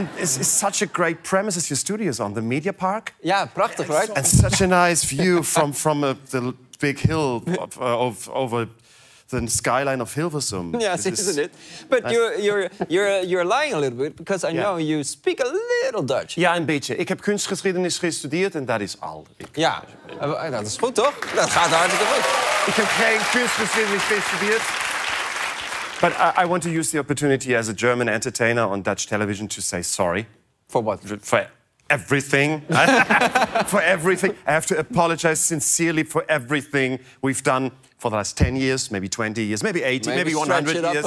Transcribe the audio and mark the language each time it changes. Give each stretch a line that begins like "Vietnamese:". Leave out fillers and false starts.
English: And it's such a great premises your studio is on, the Media Park. Yeah, prachtig, right? And such a nice view from the big hill of over. The skyline of Hilversum. Yes, isn't it? But you're lying a little bit because I know you speak a little Dutch.
Dutch: Ja, een beetje. Ik heb kunstgeschiedenis gestudeerd en dat is al. Ja, dat is goed, toch? Dat gaat hartstikke goed. Ik heb geen kunstgeschiedenis gestudeerd.
English: But I want to use the opportunity as a German entertainer on Dutch television to say sorry. For what? Everything. For everything. I have to apologize sincerely for everything we've done for the last 10 years, maybe 20 years, maybe 80, maybe 100 years.